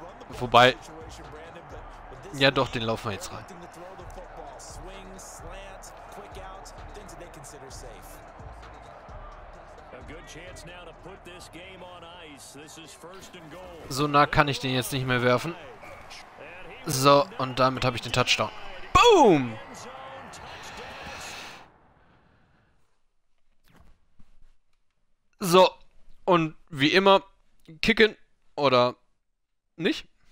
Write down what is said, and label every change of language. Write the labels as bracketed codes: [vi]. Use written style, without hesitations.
[de] Wobei, ja doch, den laufen wir jetzt rein. [en] Swings, slants, quick outs, things that they consider safe. A good [de] So nah kann ich den jetzt nicht mehr werfen. So, und damit habe ich den Touchdown. Boom! So, und wie immer, kicken oder nicht?